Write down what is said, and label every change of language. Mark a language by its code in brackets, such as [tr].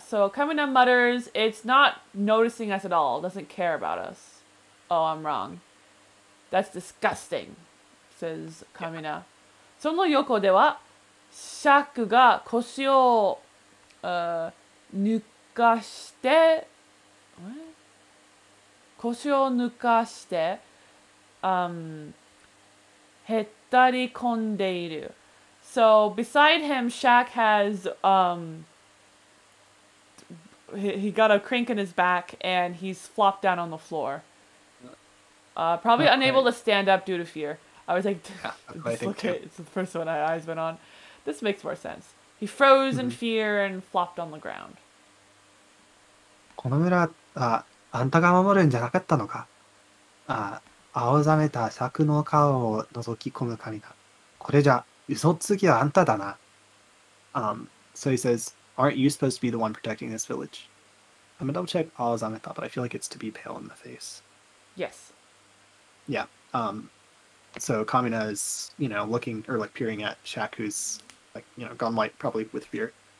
[en] So Kamina mutters, it's not noticing us at all, doesn't care about us. Oh, I'm wrong. That's disgusting, says Kamina. Yeah. [ja] その横では、シャクが腰を抜かして、腰を抜かして、へったり込んでいる。 [en] So beside him, Shaq has, he got a crank in his back and he's flopped down on the floor. probably okay. unable to stand up due to fear. I was like, it's the first one my eyes went on. This makes more sense. He froze in fear and flopped on the ground. [ja] この村、あんたが守るんじゃなかったのか。青ざめた柵の顔を覗き込む神だ。これじゃ、嘘つきはあんただな。 [en] So he says, aren't you supposed to be the one protecting this village? I'm gonna double check 青ざめた, but I feel like it's to be pale in the face. Yes. Yeah, so Kamina is, you know, looking, or like peering at Shaq, who's, like, you know, gone white, probably with fear.